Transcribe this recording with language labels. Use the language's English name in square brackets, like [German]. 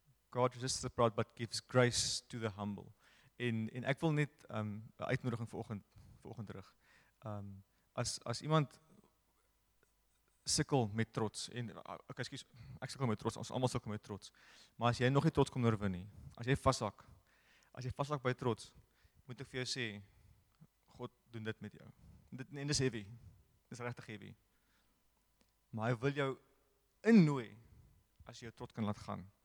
[English] God resists the proud, but gives grace to the humble. [Afrikaans] En ek wil net 'n uitnodiging vanoggend rig. As iemand sukkel met trots en ek sukkel met trots, ons almal sukkel met trots. Maar as jy nog nie trots kom oorwin nie, as jy vashak by trots, moet ek vir jou sê God doen dit met jou. En dis heavy. Dis regtig heavy. Maar hy wil jou innooi as jy jou trots kan laat gaan. En soos hier nou vanoggend gepreek was,